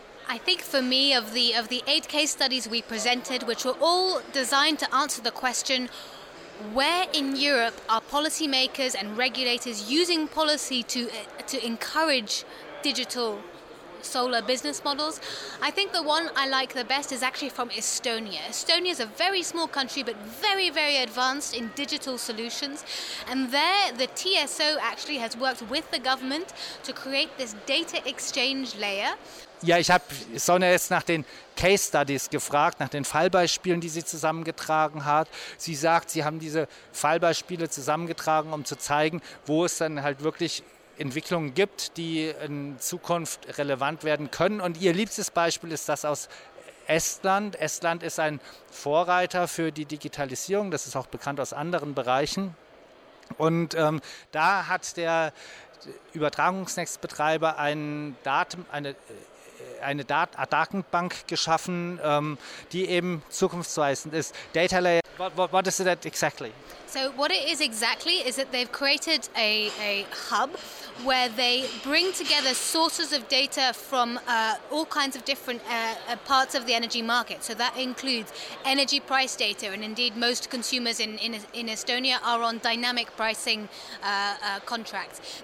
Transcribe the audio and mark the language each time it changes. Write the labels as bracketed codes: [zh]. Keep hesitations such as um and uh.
[en] I think for me of the of the eight case studies we presented which were all designed to answer the question where in Europe are policymakers and regulators using policy to uh, to encourage digital solar business models? I think the one I like the best is actually from Estonia. Estonia is a very small country but very very advanced in digital solutions, and there the TSO actually has worked with the government to create this data exchange layer [de] Ja, ich habe Sonja jetzt nach den Case Studies gefragt, nach den Fallbeispielen, die sie zusammengetragen hat. Sie sagt, sie haben diese Fallbeispiele zusammengetragen, um zu zeigen, wo es dann halt wirklich Entwicklungen gibt, die in Zukunft relevant werden können. Und ihr liebstes Beispiel ist das aus Estland. Estland ist ein Vorreiter für die Digitalisierung, das ist auch bekannt aus anderen Bereichen. Und ähm, da hat der Übertragungsnetzbetreiber einen Datum, eine eine Dat Datenbank geschaffen, um, die eben zukunftsweisend ist. [en] Data Layer, what, what, what is that exactly? So what it is exactly is that they've created a, a hub where they bring together sources of data from uh, all kinds of different uh, parts of the energy market. So that includes energy price data, and indeed most consumers in, in, in Estonia are on dynamic pricing uh, contracts.